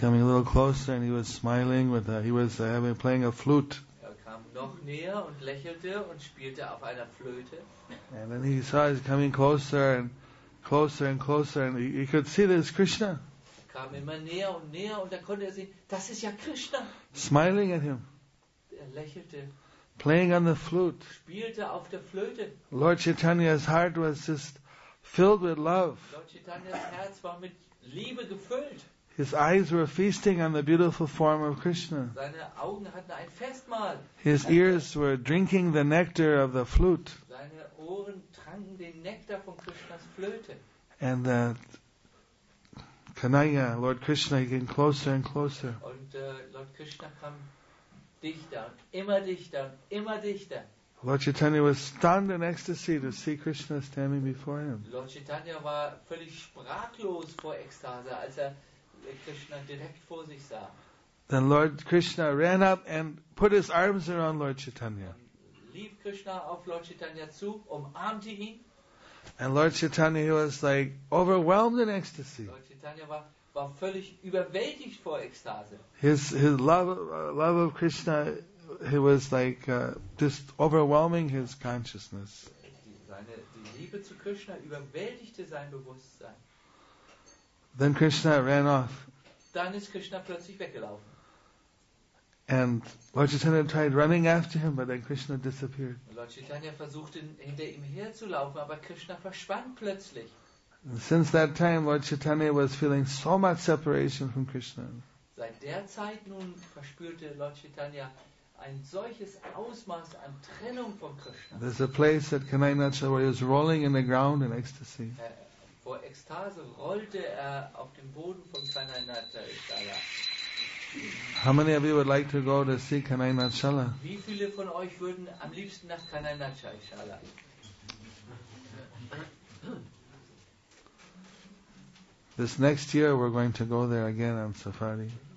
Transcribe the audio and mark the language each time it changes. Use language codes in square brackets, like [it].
[en] coming a little closer and he was smiling with he was having playing a flute. [de] Er kam noch näher und lächelte und spielte auf einer Flöte. [en] And then he saw he's coming closer and closer and closer and he could see this Krishna. [de] Er kam immer näher und näher und da konnte er sehen, das ist ja Krishna. [en] Smiling at him. [de] Er lächelte. [en] Playing on the flute. [de] Spielte auf der Flöte. [en] Lord Chaitanya's heart was just filled with love. [de] Lord Chaitanya's Herz war mit Liebe gefüllt. [en] His eyes were feasting on the beautiful form of Krishna. [de] Seine Augen hatten ein Festmahl. [en] His ears were drinking the nectar of the flute. [de] Seine Ohren tranken den Nektar von Krishnas Flöte. [en] And the Kanaya, Lord Krishna, came closer and closer. [de] Und Lord Krishna kam dichter und immer dichter und immer dichter. [en] Lord Chaitanya was stunned in ecstasy to see Krishna standing before him. [de] Lord Chaitanya war völlig sprachlos vor Ekstase, als er Krishna direkt vor sich sah. [en] Then Lord Krishna ran up and put his arms around Lord Chaitanya. [de] Lief Krishna auf Lord Chaitanya zu, umarmte ihn. [en] And Lord Chaitanya, he was like overwhelmed in ecstasy. [de] Lord Chaitanya war völlig überwältigt vor Ekstase. [en] His love of Krishna, he was like just overwhelming his consciousness. [de] Die Liebe zu Krishna überwältigte sein Bewusstsein. [en] Then Krishna ran off. [de] Dann ist Krishna plötzlich weggelaufen. [en] And Lord Chaitanya tried running after him, but then Krishna disappeared. [de] Lord Chaitanya versuchte hinter ihm herzulaufen, aber Krishna verschwand plötzlich. [en] Since that time, Lord Chaitanya was feeling so much separation from Krishna. [de] Seit der Zeit nun verspürte Lord Chaitanya ein solches Ausmaß an Trennung von Krishna. [en] There's a place at Kanainacha where he was rolling in the ground in ecstasy. [de] Vor Ekstase rollte er auf dem Boden von Kanainacha. [en] How many of you would like to go to see Kanainachala? [de] Wie viele von euch würden am liebsten nach Kanainacha Ishala? [en] This next year we're going to go there again on safari.